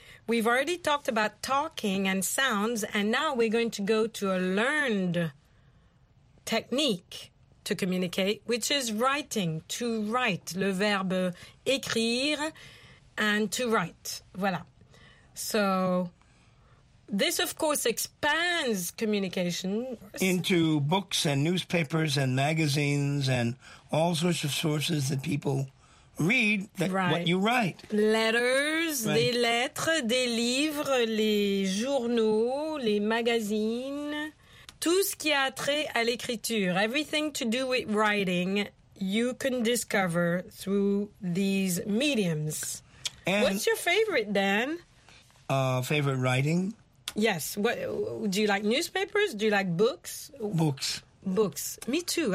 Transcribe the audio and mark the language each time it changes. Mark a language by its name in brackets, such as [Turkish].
[English] We've already talked about talking and sounds, and now we're going to go to a learned technique to communicate, which is writing, to write, [French] le verbe écrire, [English] and to write. Voilà. So this, of course, expands communication into books and newspapers and magazines and all sorts of sources that people read that, right. What you write. Letters, right. [French] Des lettres, des livres, les journaux, les magazines. Tout ce qui a trait à l'écriture. [English] Everything to do with writing, you can discover through these mediums. And what's your favorite, Dan? Favorite writing? Yes. What, do you like newspapers? Do you like books? Books. Books. Me too.